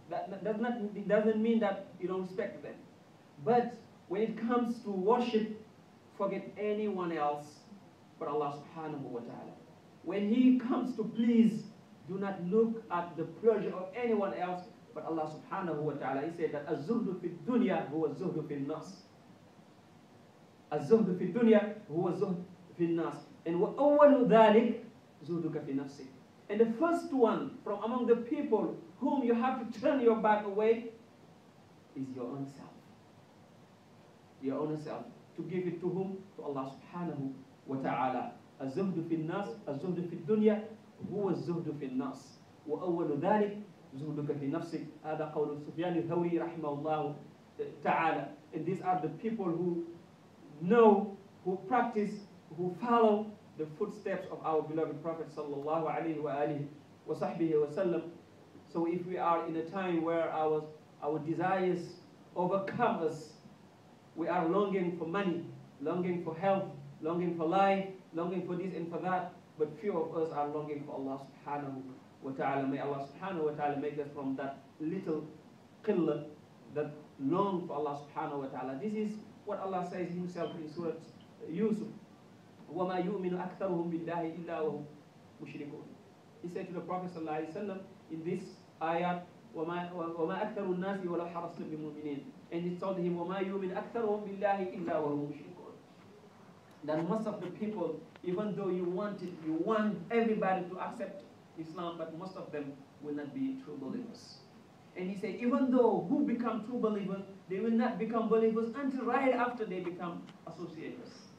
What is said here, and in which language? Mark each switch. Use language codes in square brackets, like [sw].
[en] It doesn't mean that you don't respect them. But when it comes to worship, forget anyone else but Allah subhanahu wa ta'ala. When he comes to please, do not look at the pleasure of anyone else but Allah subhanahu wa ta'ala. He said that [ar] الزهد في الدنيا هو الزهد في الناس. الزهد في الدنيا هو الزهد في الناس. [en] And [ar] وأول ذلك زهدك في نفسك. [en] And the first one from among the people whom you have to turn your back away is your own self. Your own self. To give it to whom? To Allah subhanahu wa ta'ala. [ar] الزهد في الناس, الزهد في الدنيا, هو الزهد في الناس. وأول ذلك زهدك في نفسك. هذا قول سفيان الثوري رحمه الله تعالى. [en] And these are the people who know, who practice, who follow the footsteps of our beloved Prophet sallallahu alayhi wa alihi wa sahbihi wa sallam. So if we are in a time where our desires overcome us, we are longing for money, longing for health, longing for life, longing for this and for that, but few of us are longing for Allah subhanahu wa ta'ala, may Allah subhanahu wa ta'ala make us from that little qilla that long for Allah subhanahu wa ta'ala. This is what Allah says himself in Surah Yusuf. [ar] وَمَا يُؤْمِنُ أَكْثَرُهُمْ بِاللَّهِ إِلَّا وَهُمْ مُشْرِكُونَ. [en] He said to the Prophet sallallahu alayhi wa sallam in this ayat, [ar] وَمَا أَكْثَرُ النَّاسِ وَلَوْ حَرَصْتُمْ بِمُؤْمِنِينَ. [en] And he told him, [ar] وَمَا يُؤْمِنُ أَكْثَرُهُمْ بِاللَّهِ إِلَّا وَهُمْ مُشْرِكُونَ. [en] That most of the people, even though you want it, you want everybody to accept Islam, but most of them will not be true believers. And he said, even though who become true believers, they will not become believers until right after they become associates.